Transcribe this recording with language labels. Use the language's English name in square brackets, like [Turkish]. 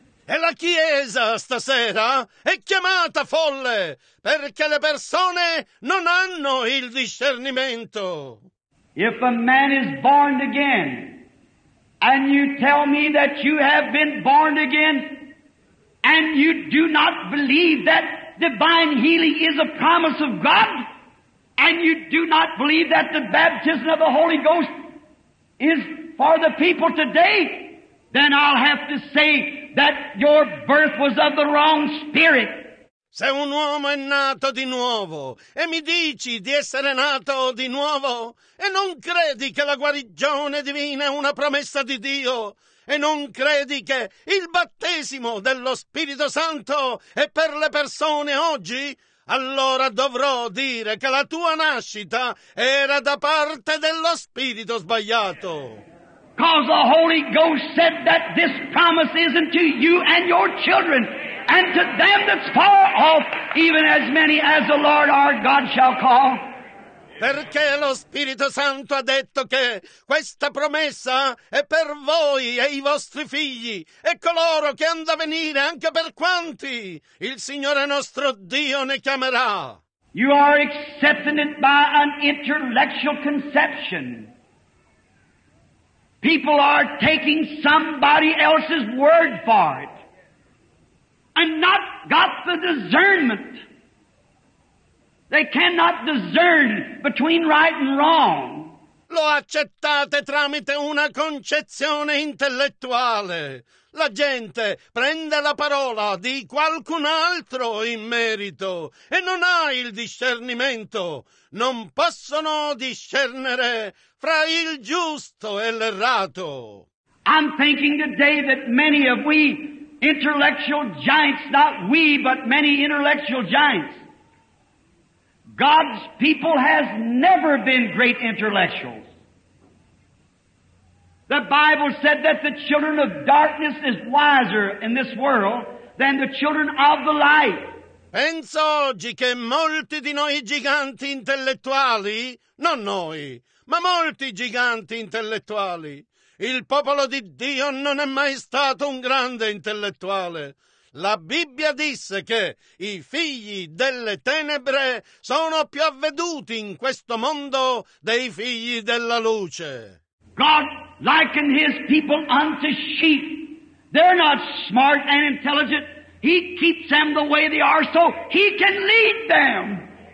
[Italian] E la Chiesa stasera è chiamata folle perché le persone non hanno il discernimento. [English] If a man is born again, and you tell me that you have been born again, and you do not believe that divine healing is a promise of God, and you do not believe that the baptism of the Holy Ghost is for the people today, then I'll have to say that your birth was of the wrong spirit. [Italian] Se un uomo è nato di nuovo e mi dici di essere nato di nuovo e non credi che la guarigione divina è una promessa di Dio e non credi che il battesimo dello Spirito Santo è per le persone oggi, allora dovrò dire che la tua nascita era da parte dello spirito sbagliato. [English] Because the Holy Ghost said that this promise is unto you and your children, and to them that's far off, even as many as the Lord our God shall call. [Italian] Perché lo Spirito Santo ha detto che questa promessa è per voi e i vostri figli e coloro che hanno da venire, anche per quanti il Signore nostro Dio ne chiamerà. [English] You are accepting it by an intellectual conception. People are taking somebody else's word for it and not got the discernment. They cannot discern between right and wrong. [Italian] Lo accettate tramite una concezione intellettuale. La gente prende la parola di qualcun altro in merito e non ha il discernimento. Non possono discernere fra il giusto e l'errato. [English] I'm thinking today that many of we intellectual giants, not we, but many intellectual giants, God's people has never been great intellectuals. The Bible said that the children of darkness is wiser in this world than the children of the light. [Italian] Penso oggi che molti di noi giganti intellettuali, non noi, ma molti giganti intellettuali, il popolo di Dio non è mai stato un grande intellettuale. La Bibbia disse che i figli delle tenebre sono più avveduti in questo mondo dei figli della luce. [English] God likened his people unto sheep. They're not smart and intelligent. He keeps them the way they are so he can lead them.